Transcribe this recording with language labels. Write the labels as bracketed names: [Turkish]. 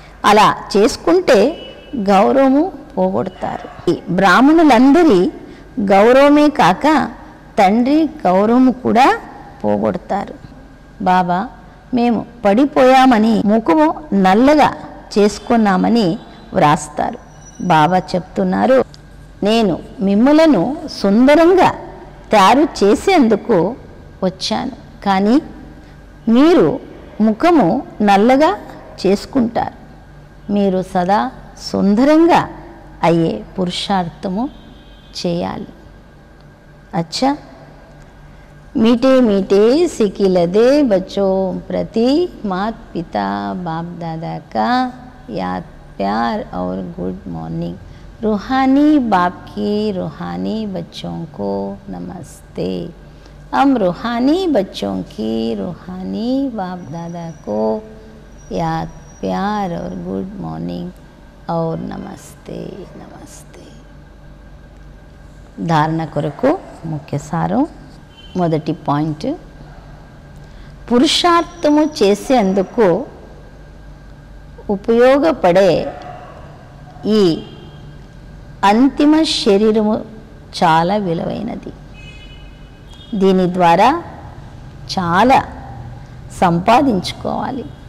[Telugu] అలా చేసుకుంటే గౌరవము పోగొడతారు ఈ బ్రాహ్మణులందరి గౌరవమే కాక తండ్రి గౌరవము కూడా పోగొడతారు బాబా మేము పడిపోయామని ముఖము నల్లగా చేసుకున్నామని వ్రాస్తారు బాబా చెప్తున్నారు నేను మిమ్మలను సుందరంగా తయారు చేసేందుకు వచ్చాను కానీ మీరు ముఖము నల్లగా చేసుకుంటారు మీరు సదా సుందరంగా అయ్యే పురుషార్థము చేయాలి అచ్చా [Hindi] मीठे मीठे सिकिल दे बच्चों प्रति मात पिता बाप दादा का याद प्यार और गुड मॉर्निंग रूहानी बाप की रूहानी बच्चों को नमस्ते। हम रूहानी बच्चों की रूहानी बाप दादा को याद प्यार और गुड मॉर्निंग और नमस्ते नमस्ते। धारणा कोरको मुख्य सारों [Telugu] మొదటి పాయింట్ పురుషార్థము చేసేందుకు ఉపయోగపడే ఈ అంతిమ శరీరము చాలా విలువైనది దీని ద్వారా చాలా సంపాదించుకోవాలి